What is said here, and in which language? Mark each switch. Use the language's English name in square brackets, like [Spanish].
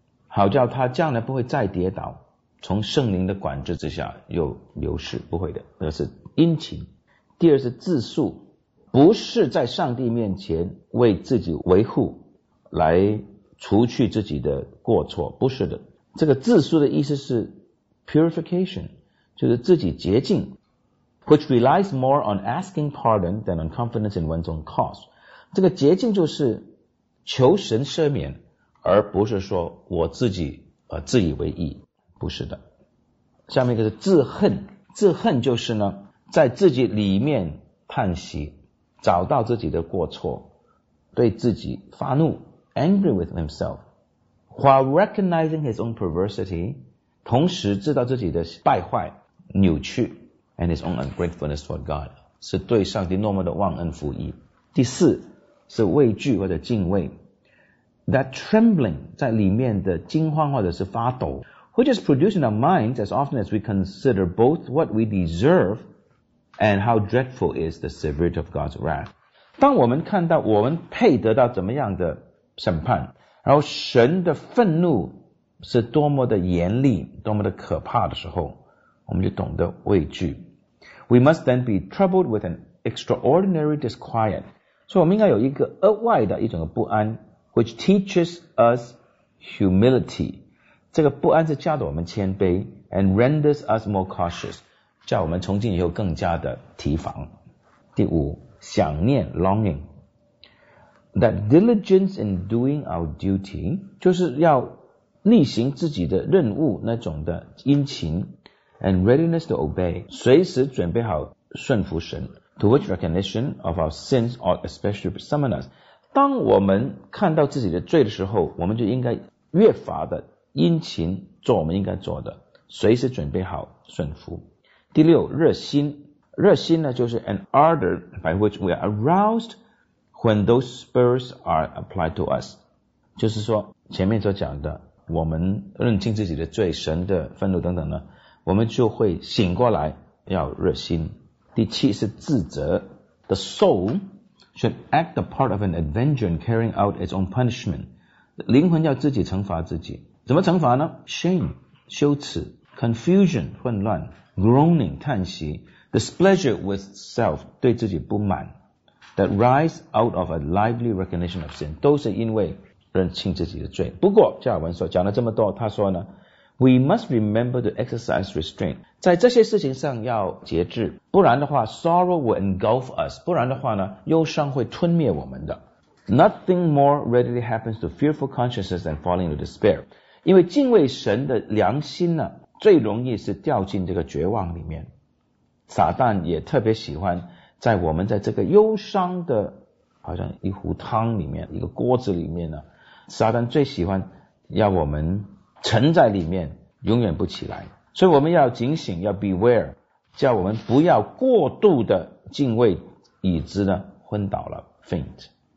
[Chinese] 好叫他将来不会再跌倒，从圣灵的管制之下又流失，不会的，那是殷勤。第二是自述，不是在上帝面前为自己维护，来除去自己的过错，不是的。这个自述的意思是 purification, 就是自己洁净。 [English] Which relies more on asking pardon than on confidence in one's own cause. [Chinese] 这个洁净就是求神赦免，而不是说我自己自以为义，不是的。下面一个是自恨，自恨就是呢在自己里面叹息，找到自己的过错，对自己发怒 ， [English] angry with himself, while recognizing his own perversity, [Chinese] 同时知道自己的败坏、扭曲 ， [English] and his own ungratefulness toward God, [Chinese] 是对上帝那么的忘恩负义。第四是畏惧或者敬畏 [English] ，that trembling [Chinese] 在里面的惊慌或者是发抖 [English] ，which is produced in our minds as often as we consider both what we deserve. And how dreadful is the severity of God's wrath? [Chinese] 当我们看到我们配得到怎么样的审判，然后神的愤怒是多么的严厉，多么的可怕的时候，我们就懂得畏惧。 [English] We must then be troubled with an extraordinary disquiet. [Chinese] 所以我们应该有一个额外的一种不安 , [English] which teaches us humility. [Chinese] 这个不安是教导我们谦卑 , [English] and renders us more cautious. [Chinese] 叫我们从今以后更加的提防。第五，想念 [English] longing, that diligence in doing our duty, [Chinese] 就是要例行自己的任务那种的殷勤 [English] and readiness to obey, [Chinese] 随时准备好顺服神 [English] to which recognition of our sins ought especially summon us. [Chinese] 当我们看到自己的罪的时候，我们就应该越发的殷勤做我们应该做的，随时准备好顺服。第六，热心。热心呢，就是 [English] an ardor by which we are aroused when those spurs are applied to us。 [Chinese] 就是说前面所讲的，我们认清自己的罪、神的愤怒等等呢，我们就会醒过来，要热心。第七是自责。 [English] The soul should act the part of an avenger in carrying out its own punishment。 [Chinese] 灵魂要自己惩罚自己。怎么惩罚呢？ [English] Shame 羞耻， Confusion 混乱， Groaning 叹息， Displeasure with self 对自己不满， That rise out of a lively recognition of sin， [Chinese] 都是因为认清自己的罪。不过加尔文说，讲了这么多，他说呢， [English] We must remember to exercise restraint， [Chinese] 在这些事情上要节制，不然的话 [English] Sorrow will engulf us， [Chinese] 不然的话呢，忧伤会吞灭我们的。 [English] Nothing more readily happens to fearful consciences than falling into despair， [Chinese] 因为敬畏神的良心呢，最容易是掉进这个绝望里面。撒旦也特别喜欢在我们在这个忧伤的好像一壶汤里面，一个锅子里面呢，撒旦最喜欢要我们沉在里面，永远不起来。所以我们要警醒，要 beware， 叫我们不要过度的敬畏，以致呢昏倒了 faint。